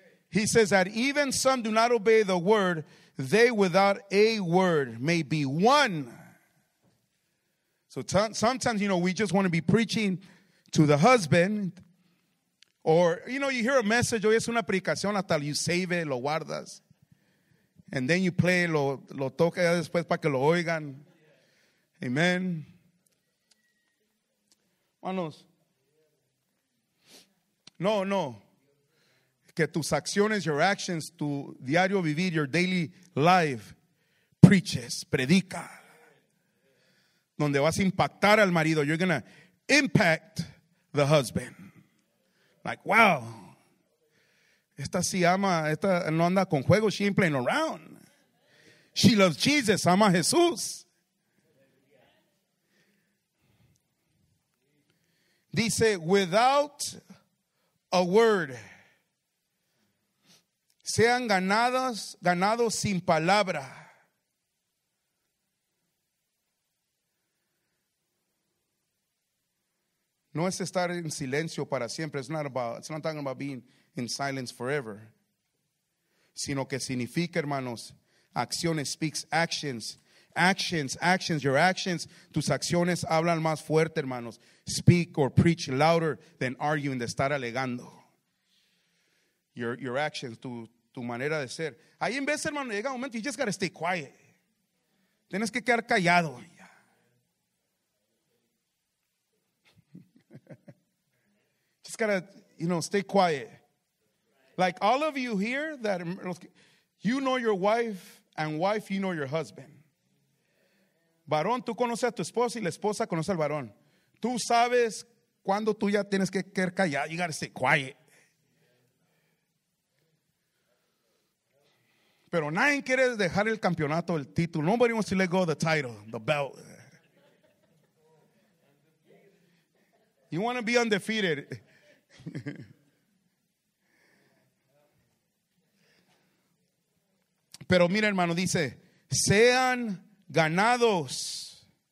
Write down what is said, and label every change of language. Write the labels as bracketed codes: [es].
[en] He says that even some do not obey the word, they without a word may be won. So sometimes, you know, we just want to be preaching to the husband. Or, you know, you hear a message, [es] hoy es una predicación, hasta [en] you save it, [es] lo guardas. [en] And then you play, [es] lo toca después para que lo oigan. Amen. Manos. No, no. Que tus acciones, [en] your actions, [es] tu diario vivir, [en] your daily life, preaches, [es] predica. Donde vas a impactar al marido. [en] You're going to impact the husband. Like, wow. [es] Esta sí ama, esta no anda con juego, [en] she ain't playing around. She loves Jesus, [es] ama a Jesús. [en] Dice, without a word. [es] Sean ganados, ganados sin palabra. No es estar en silencio para siempre. [en] It's not talking about being in silence forever. [es] Sino que significa, hermanos, acciones, [en] speaks actions. Actions, your actions, [es] tus acciones hablan más fuerte, hermanos. [en] Speak or preach louder than arguing, [es] de estar alegando. [en] Your actions, [es] tu manera de ser. Ahí en vez, hermano, llega un momento, [en] you just gotta stay quiet. [es] Tienes que quedar callado. [en] Just gotta, you know, stay quiet. Like all of you here, that you know your wife, and wife, you know your husband. [es] Varón, tú conoces a tu esposa y la esposa conoce al varón. Tú sabes cuando tú ya tienes que quedar callado. [en] You gotta stay quiet. [es] Pero nadie quiere dejar el campeonato, el título. [en] Nobody wants to let go of the title, the belt. You want to be undefeated. [es] Pero mira, hermano, dice, sean ganados.